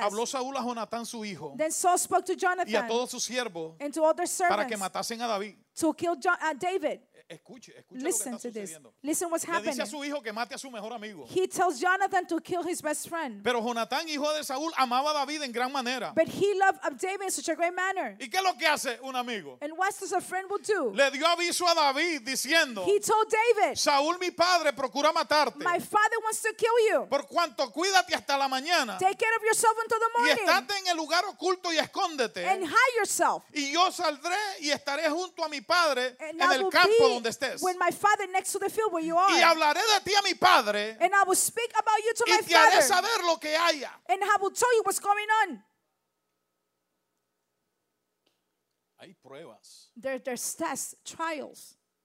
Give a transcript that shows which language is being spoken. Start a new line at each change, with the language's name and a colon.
Spanish: habló Saúl a Jonatán, su hijo,
English: then Saul spoke to Jonathan
Spanish: y a todos sus siervos,
English: and to all their servants
Spanish: para que matasen a David.
English: To kill David.
Spanish: Escuche
English: listen
Spanish: lo que está
English: to
Spanish: sucediendo.
English: This. Listen what's happening.
Spanish: Le dice a su hijo que mate a su mejor amigo.
English: He tells Jonathan to kill his best friend.
Spanish: Pero Jonatán, hijo de Saúl, amaba a David en gran manera.
English: But he loved David in such a great manner.
Spanish: ¿Y qué es lo que hace un amigo?
English: And what does a friend will do?
Spanish: Le dio aviso a David diciendo,
English: he told David,
Spanish: Saúl, mi padre, procura matarte.
English: My father wants to kill you.
Spanish: Por cuanto cuídate hasta la mañana.
English: Take care of yourself until the morning.
Spanish: Y estate en el lugar oculto y escóndete.
English: And hide yourself.
Spanish: Y yo saldré y estaré junto a mi padre en el campo.
English: When my father next to the field where you are.
Spanish: Y hablaré de ti a mi padre,
English: and I will speak about you to
Spanish: y
English: my
Spanish: te haré
English: father.
Spanish: Saber lo que haya.
English: And I will tell you what's going on.
Spanish: Hay pruebas.
English: There's tests, trials.